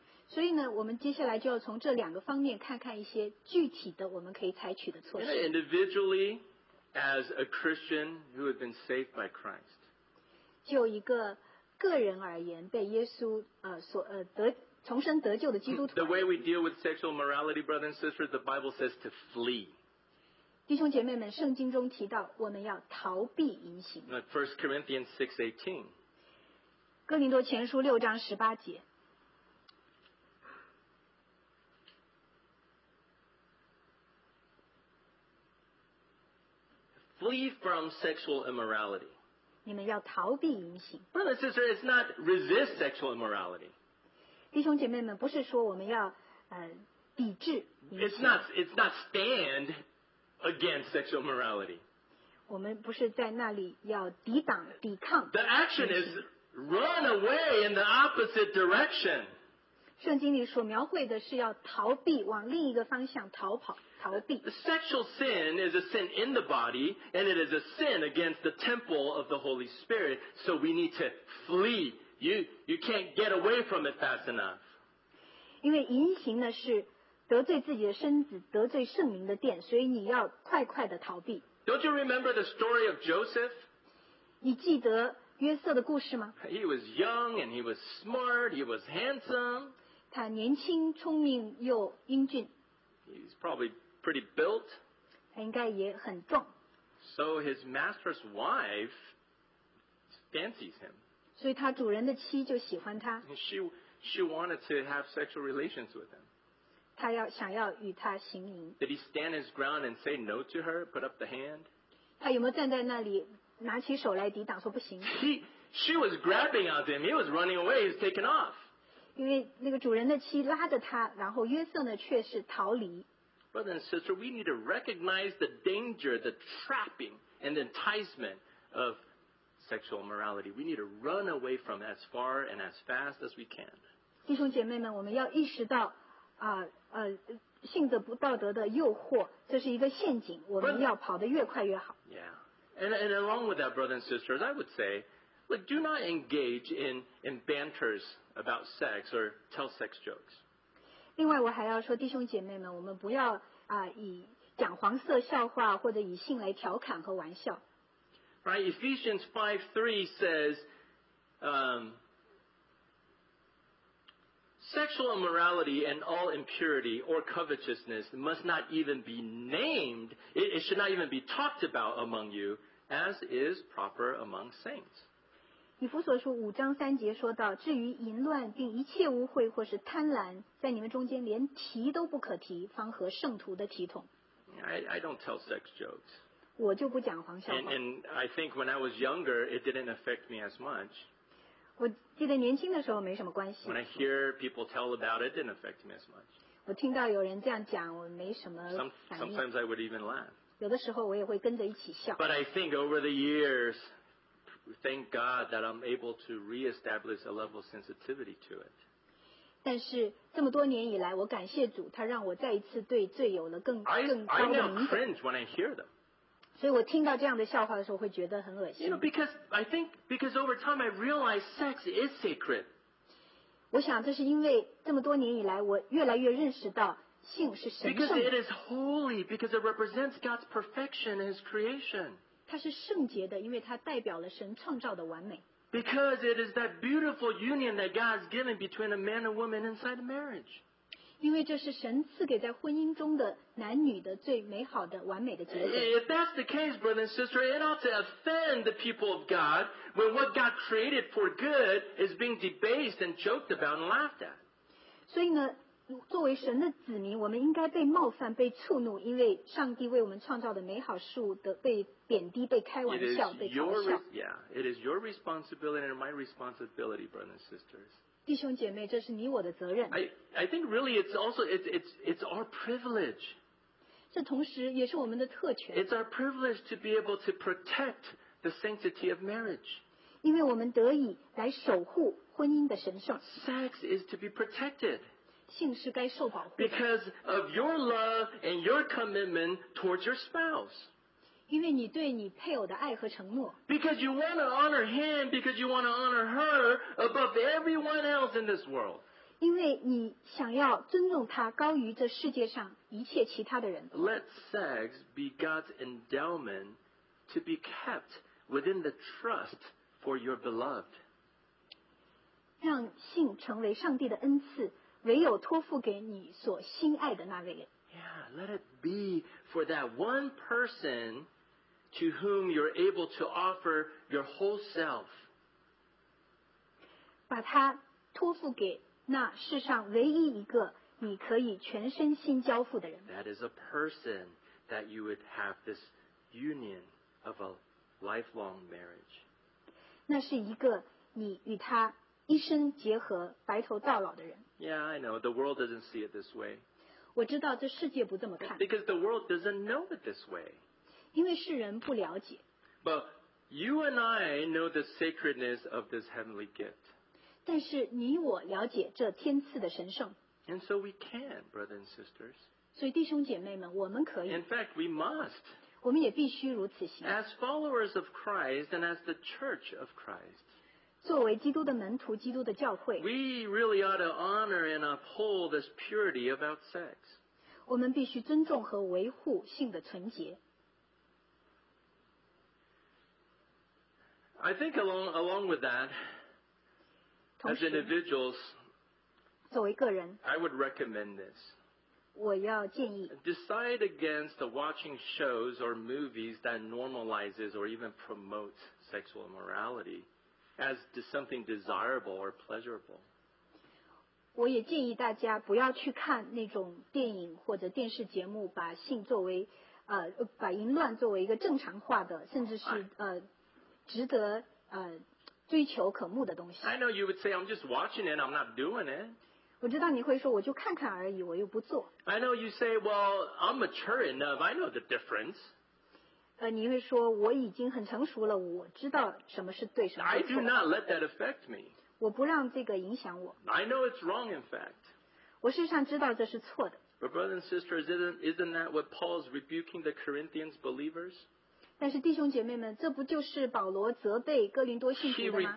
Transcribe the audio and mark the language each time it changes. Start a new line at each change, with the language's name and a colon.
Chinese: 所以呢，我们接下来就要从这两个方面看看一些具体的我们可以采取的措施。
English: Yeah, individually, as a Christian who has been saved by Christ.
Chinese: 就一个个人而言，被耶稣重生得救的基督徒。
English: The way we deal with sexual morality, brothers and sisters, the Bible says to flee.
Chinese: 弟兄姐妹们，圣经中提到我们要逃避淫行。
English: 1 Corinthians 6:18.
Chinese: 哥林多前书六章十八节。
English: Flee from sexual immorality.
Chinese: 你们要逃避淫行。
English: Brother and sister, it's not resist sexual immorality.
Chinese: 弟兄姐妹们，不是说我们要抵制淫行。
English: It's not stand against sexual immorality.
Chinese: 我们不是在那里要抵挡抵抗。
English: The action is run away in the opposite direction.
Chinese: 圣经里所描绘的是要逃避，往另一个方向逃跑，逃避。
English: Sexual sin is a sin in the body, and it is a sin against the temple of the Holy Spirit. So we need to flee. You can't get away from it fast enough.
Chinese: 因为淫行呢是得罪自己的身子，得罪圣灵的殿，所以你要快快的逃避。
English: Don't you remember the story of Joseph?
Chinese: 你记得约瑟的故事吗？
English: He was young and he was smart. He was handsome.
Chinese: 他年轻、聪明又英俊。
English: He's probably pretty built.
Chinese: 他应该也很壮。
English: So his master's wife fancies him.
Chinese: 所以他主人的妻就喜欢他。
English: She wanted to have sexual relations with him.
Chinese: 他要想要与他行淫。
English: Did he stand his ground and say no to her? Put up the hand?
Chinese: 他有没有站在那里？拿起手来抵挡，说不行。
English: She was grabbing at him. He was running away. He was taken off.
Chinese: 因为那个主人的妻拉着他，然后约瑟呢却是逃离。
English: Brother and sister, we need to recognize the danger, the trapping, and the enticement of sexual morality. We need to run away from as far and as fast as we can.
Chinese: 弟兄姐�妹们，我们要意识到性子不道德的诱惑，这是一个陷阱，我们要跑得越快越好。
English: Yeah. And along with that, brothers and sisters, I would say, look, do not engage in banters about sex or tell sex jokes.
Chinese: 另外我还要说弟兄姐妹们，我们不要以讲黄色笑话或者以性来调侃和玩笑。
English: Right, Ephesians 5:3 says, sexual immorality and all impurity or covetousness must not even be named, it should not even be talked about among you, as is proper among saints.
Chinese: 以弗所书五章三节说到，至于淫乱并一切污秽或是贪婪，在你们中间连提都不可提，方合圣徒的体统。
English: I don't tell sex jokes.
Chinese: 我就不讲黄笑话。
English: And I think when I was younger, it didn't affect me as much.
Chinese: 我记得年轻的时候没什么关系。
English: When I hear people tell about it, it didn't affect me as much.
Chinese: 我听到有人这样讲，我没什么反应。
English: Sometimes I would even laugh.
Chinese: 有的时候我也会跟着一起笑。
English: But I think over the years, thank God that I'm able to reestablish a level of sensitivity to it.
Chinese: 但是这么多年以来，我感谢主，他让我再一次对罪有了更高的敏感。
English: I now cringe when I hear them.
Chinese: 所以我听到这样的笑话的时候会觉得很恶心。
English: You know, because I think, because over time I realize sex is sacred.
Chinese: 我想这是因为这么多年以来我越来越认识到性是神圣的。
English: Because it is holy, because it represents God's perfection and His creation.
Chinese: 它是圣洁的，因为它代表了神创造的完美。
English: Because it is that beautiful union that God has given between a man and woman inside a marriage.
Chinese: 因为这是神赐给在婚姻中的男女的最美好的完美的结果。
English: If that's the case, brother and sister, it ought to offend the people of God when what God created for good is being debased and joked about and laughed at.
Chinese: 所以呢，作为神的子民，我们应该被冒犯、被触怒，因为上帝为我们创造的美好事物的被贬低、被开玩笑、被嘲笑。
English: Yeah, it is your responsibility and my responsibility, brothers and sisters.
Chinese: 弟兄姐妹，这是你我的责任。
English: I think really it's our privilege.
Chinese: 这同时也是我们的特权。
English: It's our privilege to be able to protect the sanctity of marriage.
Chinese: 因为我们得以来守护婚姻的神圣。
English: Sex is to be protected.
Chinese: 性是该受保护的。
English: Because of your love and your commitment towards your spouse.
Chinese: 因为你对你配偶的爱和承诺。
English: Because you want to honor him, because you want to honor her above everyone else in this world.
Chinese: 因为你想要尊重他，高于这世界上一切其他的人。
English: Let sex be God's endowment to be kept within the trust for your beloved.
Chinese: 让性成为上帝的恩赐，唯有托付给你所心爱的那位人。
English: Yeah, let it be for that one person. To whom you're able to offer your whole self.
Chinese: 把它托付给那世上唯一一个你可以全身心交付的人。
English: That is a person that you would have this union of a lifelong marriage.
Chinese: 那是一个你与他一生结合白头到老的人。
English: Yeah, I know. The world doesn't see it this way.
Chinese: 我知道这世界不这么看。
English: Because the world doesn't know it this way.
Chinese: 因为世人不了解。
English: But You and I know the sacredness of this heavenly gift.
Chinese: 但是你我了解这天赐的神圣。
English: And so we can, brothers and sisters.
Chinese: 所以弟兄姐妹们，我们可以。
English: In fact, we must.
Chinese: 我们也必须如此行。
English: As followers of Christ and as the Church of Christ.
Chinese: 作为基督的门徒，基督的教会。
English: We really ought to honor and uphold this purity about sex.
Chinese: 我们必须尊重和维护性的纯洁。
English: I think along with that, as individuals,
Chinese: 作为个人,
English: I would recommend this.
Chinese: 我要建议,
English: decide against the watching shows or movies that normalizes or even promotes sexual immorality as something desirable or pleasurable.
Chinese: 我也建议大家不要去看那种电影或者电视节目把性作为, 把淫乱作为一个正常化的甚至是值得追求可慕的东西。
English: I know you would say I'm just watching it, I'm not doing it.
Chinese: 我知道你会说我就看看而已，我又不做。
English: I know you say, well, I'm mature enough, I know the difference.
Chinese: 你会说我已经很成熟了，我知道什么是对，什么是错。
English: I do not let that affect me.
Chinese: 我不让这个影响我。
English: I know it's wrong, in fact.
Chinese: 我事实上知道这是错的。
English: But brothers and sisters, isn't that what Paul's rebuking the Corinthians believers?
Chinese: 但是弟兄姐妹们，这不就是保罗责备哥林多信徒的吗？